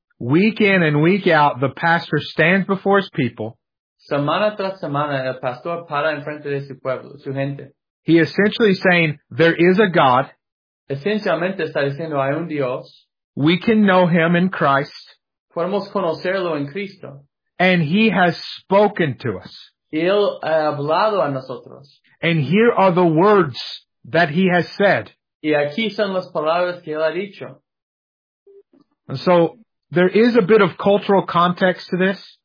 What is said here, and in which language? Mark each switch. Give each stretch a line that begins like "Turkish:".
English: Week in and week out, the pastor stands before his people.
Spanish: Semana tras semana, el pastor para enfrente de su pueblo, su gente.
English: He essentially saying, there is a God.
Spanish: Esencialmente está diciendo, hay un Dios.
English: We can know him in Christ.
Spanish: Podemos conocerlo en Cristo.
English: And he has spoken to us.
Spanish: Él ha hablado a nosotros.
English: And here are the words that he has said.
Spanish: Y aquí son las palabras que él ha dicho.
English: And so, there is a bit of cultural context to this.